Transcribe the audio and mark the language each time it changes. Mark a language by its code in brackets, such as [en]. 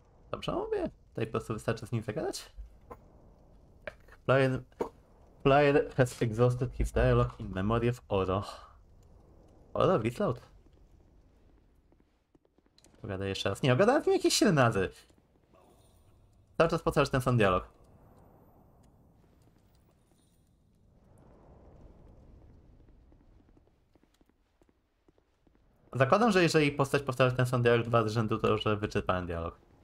[pl] Dobrze mówię? Tutaj po prostu wystarczy z nim zagadać? Tak. [en] Player has exhausted his dialogue in memory of Oro. Oro, Wislout. [pl] Pogadaj jeszcze raz. Nie, ogadałem w nim jakieś 7 razy. Cały czas pocałasz ten sam dialog. Zakładam, że jeżeli postać powtarza ten sam dialog 2 z rzędu, to już wyczerpałem dialog.